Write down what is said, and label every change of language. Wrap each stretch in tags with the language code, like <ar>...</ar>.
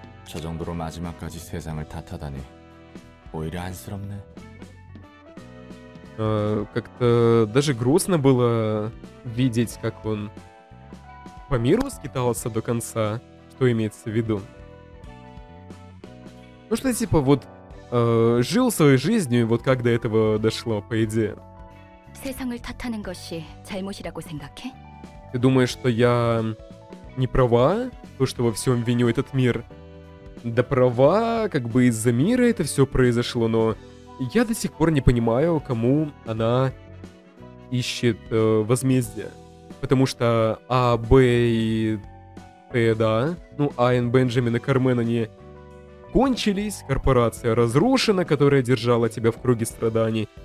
<ru>Как-то даже грустно было видеть, как он по миру скитался до конца. Что имеется в виду? Ну что, типа, вот жил своей жизнью, вот как до этого дошло, по идее.</ru> <ko>세상을 탓하는 것이 잘못이라고 생각해?</ko> <ru>Ты думаешь, что я не права, то, что во всем виню этот мир? Да права, как бы из-за мира это все произошло, но я до сих пор не понимаю, кому она ищет возмездие. Потому что А, Б и Т, да, ну, Айн, Бенджамин и Кармен, они кончились, корпорация разрушена, которая держала тебя в круге страданий.</ru>